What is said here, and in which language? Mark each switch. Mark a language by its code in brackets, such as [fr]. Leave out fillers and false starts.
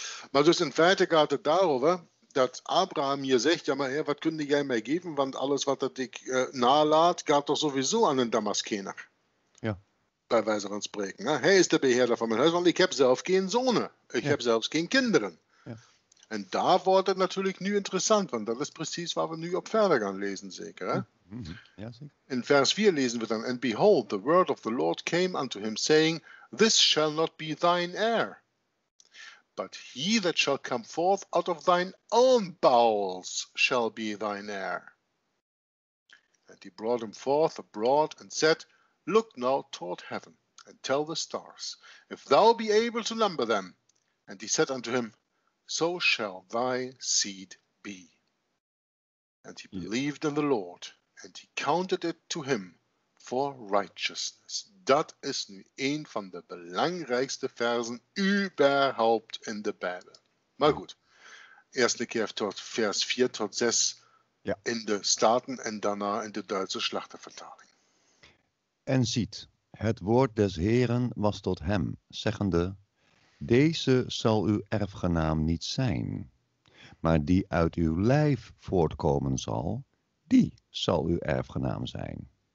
[nl] Maar dus in feite gaat het daarover, dat Abraham hier zegt, ja maar heer, wat kunde jij mij geven, want alles wat dat ik nalaat, gaat toch sowieso aan een Damaskener. Ja. Bij wijze van spreken. Ja? Hij is de beheerder van mijn huis, want ik heb zelf geen zonen. Ik heb zelfs geen kinderen. En daar wordt het natuurlijk nu interessant, want dat is precies waar we nu op verder gaan lezen, zeker. Hè? Ja, zeker. In vers 4 lezen we dan, [en] and behold, the word of the Lord came unto him, saying, this shall not be thine heir, but he that shall come forth out of thine own bowels shall be thine heir. And he brought him forth abroad and said, look now toward heaven, and tell the stars, if thou be able to number them. And he said unto him, so shall thy seed be. And he believed in the Lord, and he counted it to him for righteousness. [nl] Dat is nu een van de belangrijkste versen überhaupt in de Bijbel. Maar goed, eerste keer tot vers 4 tot 6 in de Staten en daarna in de Duitse Schlachtervertaling. En ziet, het woord des Heren was tot hem, zeggende, deze zal uw erfgenaam niet zijn, maar die uit uw lijf voortkomen zal, die zal uw erfgenaam zijn.